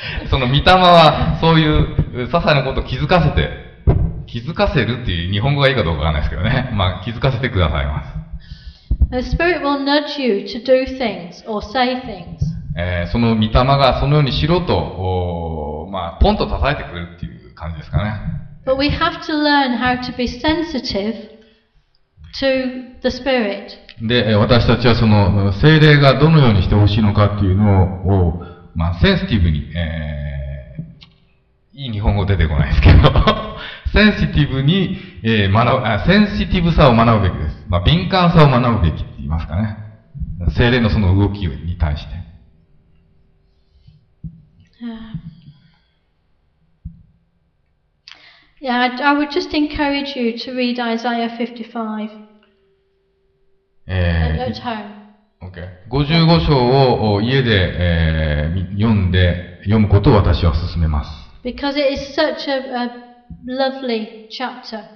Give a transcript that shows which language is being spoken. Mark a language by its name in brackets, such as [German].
[Japanese] その御霊はそういう些細なことを気づかせるっていう日本語がいいかどうかわからないですけどね。まあ気づかせてくださいます。 [English] The spirit will nudge you to do things or say things. [Japanese] その御霊がそのようにしろとまあポンと支えてくれるっていう感じですかね。 [English] But we have to learn how to be sensitive. To the Spirit. [Japanese] で、私たちはその聖霊がどのようにしてほしいのかっていうのを、まあ、センシティブに、いい日本語出てこないですけど、センシティブに、センシティブさを学ぶべきです。まあ、敏感さを学ぶべきって言いますかね。聖霊のその動きに対して。 [English] Yeah, I would just encourage you to read Isaiah 55. At home. [Japanese] Okay. 55章を家で、読むことを私は勧めます。 [English] Because it is such a lovely chapter.